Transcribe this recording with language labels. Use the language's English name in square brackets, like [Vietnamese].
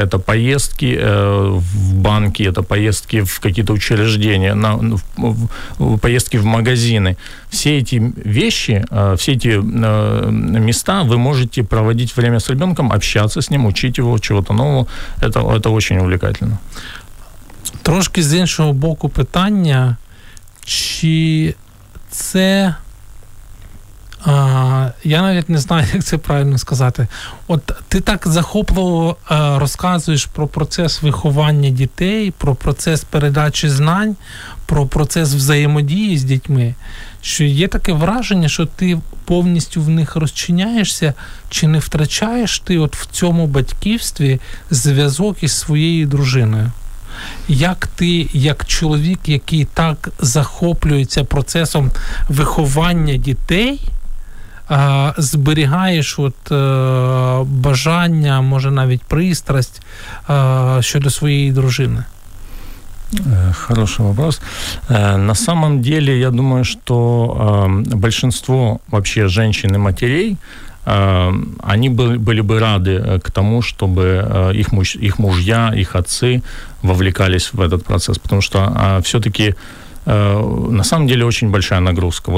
[Russian] Это поездки в банки, это поездки в какие-то учреждения, поездки в магазины. Все эти вещи, все эти места вы можете проводить время с ребенком, общаться с ним, учить его чего-то нового. Это очень увлекательно. [Ukrainian] Трошки з іншого боку питання, чи це... я навіть не знаю, як це правильно сказати. От ти так захопливо розказуєш про процес виховання дітей, про процес передачі знань, про процес взаємодії з дітьми, що є таке враження, що ти повністю в них розчиняєшся, чи не втрачаєш ти от в цьому батьківстві зв'язок із своєю дружиною? Як ти, як чоловік, який так захоплюється процесом виховання дітей, зберігаєш от бажання, може навіть пристрасть щодо своєї дружини? [Russian] Хороший вопрос. На самом деле, я думаю, что большинство вообще женщин и матерей, они были бы рады к тому, чтобы их мужья, их отцы вовлекались в этот процесс, потому что все-таки на самом деле очень большая нагрузка.